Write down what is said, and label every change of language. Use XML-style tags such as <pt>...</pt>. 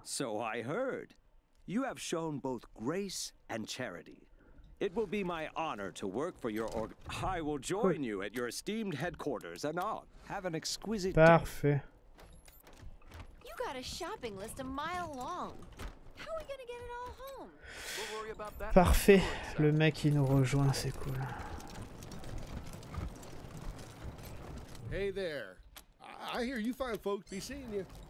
<en>So I heard. You have shown both grace and charity. It will be my honor to work for your org. I will join you at your esteemed headquarters, and I'll have an exquisite</en> <fr>day. Parfait.</fr> <en>You got a shopping list a mile long. How are we gonna get it all home?</en> <fr>Parfait, le mec qui nous rejoint, c'est cool.</fr> <en>Hey there. I hear you fine folks be seeing you.</en>